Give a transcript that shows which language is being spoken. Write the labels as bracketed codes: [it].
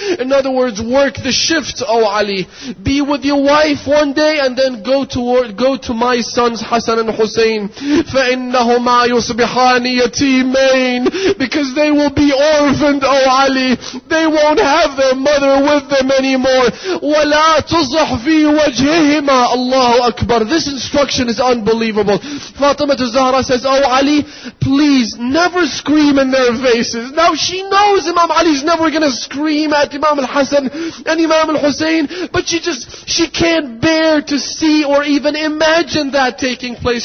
[en] In other words, work the shifts, O Ali. Be with your wife one day, and then go to my sons Hassan and Hussein. [ar] فَإِنَّهُمَا يُصْبِحَانِ يَتِيمَيْنِ. [en] Because they will be orphaned, O Ali. They won't have them. mother with them anymore. [ar] وَلَا تُصْرَحْ فِي وَجْهِهِمَا Allahu Akbar. [en] This instruction is unbelievable. Fatima Zahra says, oh Ali, please never scream in their faces. Now she knows Imam Ali's never going to scream at Imam al-Hasan and Imam al-Hussein, but she can't bear to see or even imagine that taking place.